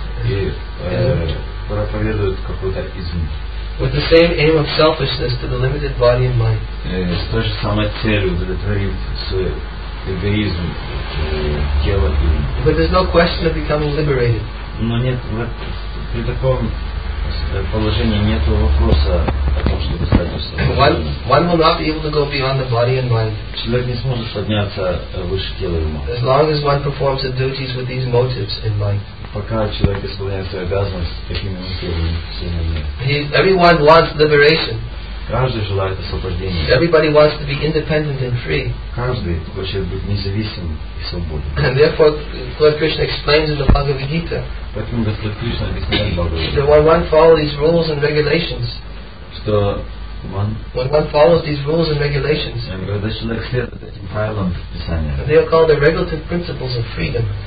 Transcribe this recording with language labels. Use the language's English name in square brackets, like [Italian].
[Russian] И проповедуют какой-то изм. [English] With the same aim of selfishness to the limited body and mind. [Russian] С той же самой целью удовлетворить свой эгоизм, тело и. [English] But there's no question of becoming liberated. [Russian] Но нет, при таком положении нет вопроса. [English] One will not be able to go beyond the body and mind. [Russian] Человек не сможет подняться выше тела и ума. [English] As long as one performs the duties with these motives in mind. [Russian] Пока человек исполняет свои обязанности такими мотивами. [English] Everyone wants liberation. [Russian] Каждый желает освобождения. [English] Everybody wants to be independent and free. [Russian] Каждый хочет быть независим и свободным. [English] And therefore, Lord Krishna explains in the Bhagavad Gita. [Russian] Поэтому Господь Кришна объясняет Бхагавад-гиту. [English] That when one follows these rules and regulations. [Russian] Что [English] one, when one follows these rules and regulations, they are called the regulative principles of freedom.